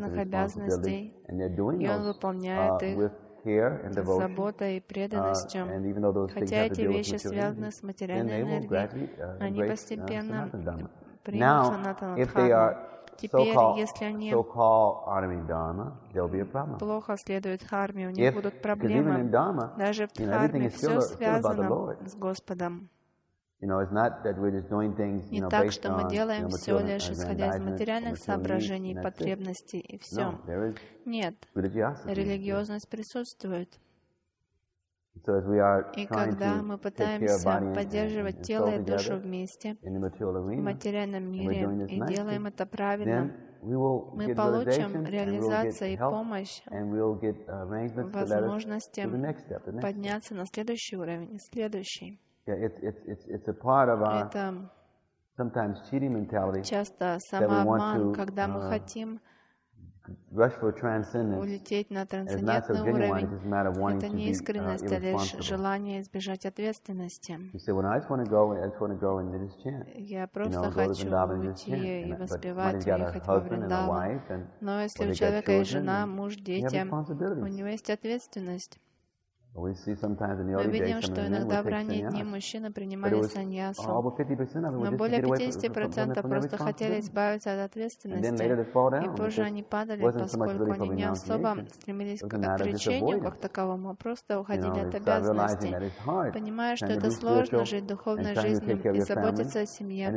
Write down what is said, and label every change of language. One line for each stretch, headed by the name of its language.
English: and responsibilities, and they're doing those with care and devotion, and even though those things have to deal with material energy, then they will gradually embrace Sanatana Dharma. Now, if they are so-called Arming Dharma, there will be a problem.
Russian: Плохо следует харме, у них будут проблемы.
English: Even in Dharma,
Russian: даже в Дхарме,
English: everything is still about the Lord. You know, it's not that we're just doing things, you know, based on
Russian: материальных соображений, потребностей и все. Нет, религиозность присутствует.
English: So as we are trying to take care of body and soul together
Russian: вместе,
English: in the material arena,
Russian: в материальном мире,
English: and we're doing this nicely,
Russian: это правильно,
English: then we will get realization, and we'll get help, and we'll get arrangements to let us to the next step, the next
Russian: step. На следующий уровень, следующий.
English: Yeah, it's a part of our sometimes cheating mentality that we want to rush for transcendence. It's not so genuine, it's just a matter of wanting to be irresponsible. You say, well, I just want to go and they just chant. You know, go to Vrindavan and just chant. But somebody's got a husband and a wife, and they've got children, and they have responsibilities. We see sometimes in the early days,
Russian: что иногда в ранние дни мужчины принимали саньясу, но более 50% просто хотели избавиться от ответственности, и позже они падали, поскольку они не особо стремились к отречению как таковому, а просто уходили от обязанностей, понимая, что это сложно жить духовной жизнью и заботиться о семье.